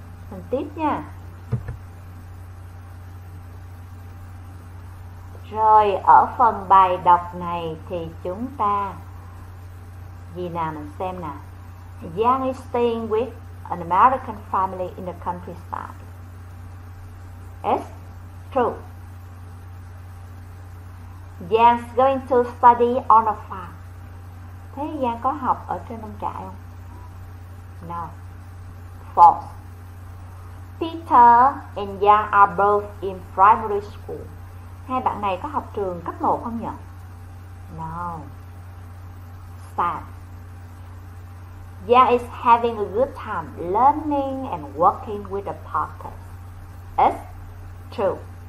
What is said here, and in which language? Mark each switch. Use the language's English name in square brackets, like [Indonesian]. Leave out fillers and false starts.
[Vietnamese] Mình tiếp nha. Rồi ở phần bài đọc này thì chúng ta gì nào, mình xem nào. [English] Jan is staying with an American family in the countryside. It's true. Jan's going to study on a farm. [Vietnamese] Thế Jan có học ở trên nông trại không? [English] No. False. Peter and Jan are both in primary school. [Vietnamese] Hai bạn này có học trường cấp 1 không nhỉ? [English] No. Sad. Jan is having a good time learning and working with the Parkers. It's true.